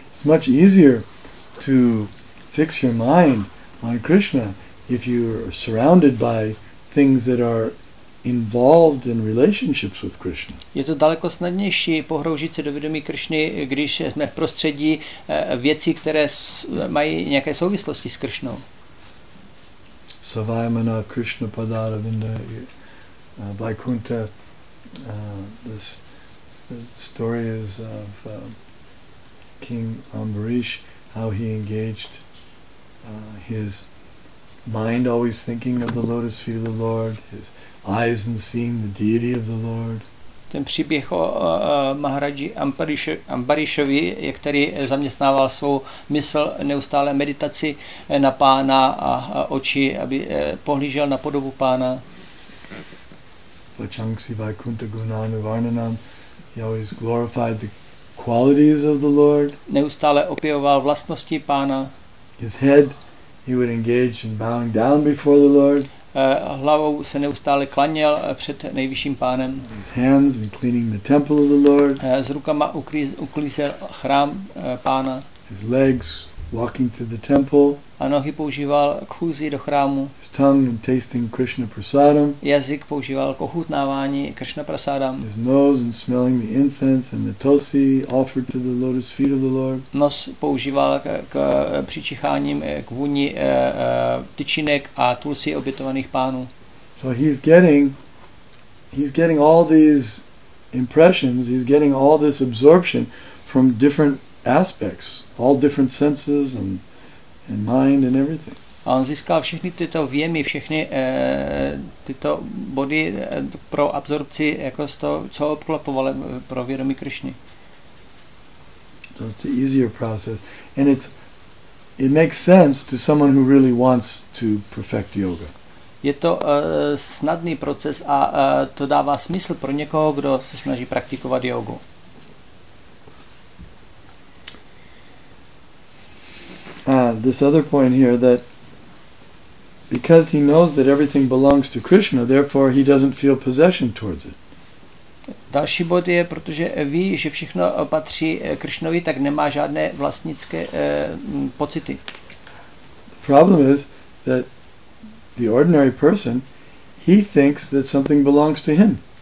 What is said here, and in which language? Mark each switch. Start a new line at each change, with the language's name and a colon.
English: It's much easier to fix your mind on Krishna if you're surrounded by things that are involved in relationships with Krishna.
Czech: Je to daleko snadnější pohroužit se do vědomí Krishny, když jsme v prostředí věcí, které mají nějaké souvislosti s Krishnou.
Sanskrit: Savayamana Krishna Padaravinda Vaikuntha.
English: This story is of King Ambarish, how he engaged his mind always thinking of the lotus feet of the Lord, his eyes and seeing the deity of the Lord.
Czech: Ten příběh o Maharaji Ambarishovi, který zaměstnával svou mysl neustále meditaci na pána a oči, aby pohlížel na podobu pána.
Sanskrit: Vachangsi Vaikuntha Gunanu Varnanam,
English: he always glorified the qualities of the Lord.
Czech: Neustále opěvoval vlastnosti pána.
English: His head, he would engage in bowing down before the Lord.
Czech: Hlavou se neustále klaněl před nejvyšším pánem.
English: His hands in cleaning the temple of the Lord.
Czech: S rukama uklízel chrám pána.
English: His legs walking to the temple.
Czech: A nohy používal k chůzi do chrámu.
English: His tongue and tasting Krishna prasadam.
Czech: Jazyk používal k ochutnávání Krishna prasadam.
English: His nose and smelling the incense and the tulsi offered to the lotus feet of the Lord.
Czech: Nos používal k přičicháním k vůni tyčinek a tulsi obětovaných pánů.
English: So he's getting all these impressions, he's getting all this absorption from different aspects, all different senses and mind and everything.
Czech: A on získal všechny tyto vjemy, všechny tyto body pro absorpci, jako z toho, co obklopovalo pro vědomí Krišny.
English: So it's an easier process. And it makes sense to someone who really wants to perfect yoga.
Czech: Je to snadný proces a to dává smysl pro někoho, kdo se snaží praktikovat jogu.
English: This other point here that because he knows that everything belongs to Krishna, therefore he doesn't feel possession towards it.
Czech: Další bod je, protože ví, že všechno patří Krišnovi, tak nemá žádné vlastnické pocity.
English: The problem is that the ordinary person, he thinks that something belongs to him.